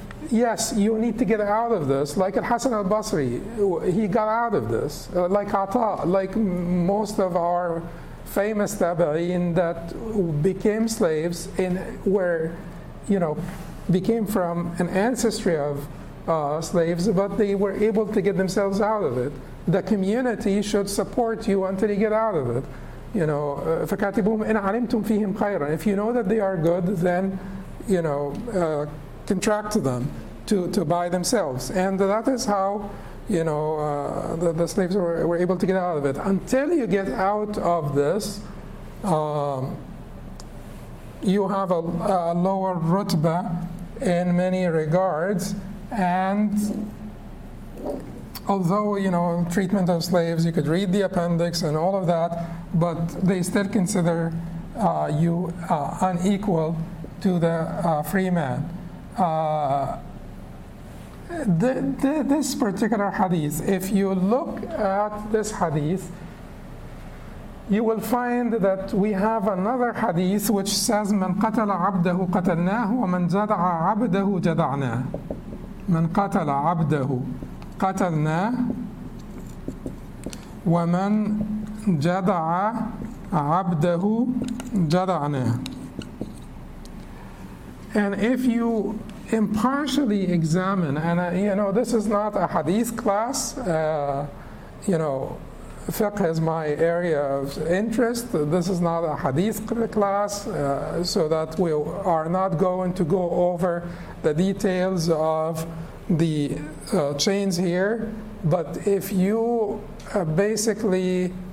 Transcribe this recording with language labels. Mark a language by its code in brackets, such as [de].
[en] Yes, you need to get out of this, like al-Hasan al-Basri, he got out of this, like Ata, like most of our famous tabi'in that became slaves and were, you know, became from an ancestry of slaves, but they were able to get themselves out of it. The community should support you until you get out of it. You know, [ar] فَكَاتِبُهُمْ إِنْ عَلِمْتُمْ فِيهِمْ خَيْرًا. [en] If you know that they are good, then, you know, contract to them to buy themselves. And that is how, you know, the slaves were able to get out of it. Until you get out of this, you have a lower rutbah in many regards. And although, you know, treatment of slaves, you could read the appendix and all of that, but they still consider you unequal to the free man. This particular hadith, if you look at this hadith, you will find that we have another hadith which says, [ar] "من قتل عبده قتلناه ومن جدع عبده جدعناه." من قتل عبده قتلناه ومن جدع عبده جدعناه. [en] And if you impartially examine, and you know, this is not a hadith class, you know, fiqh is my area of interest, this is not a hadith class, so that we are not going to go over the details of the chains here, but if you basically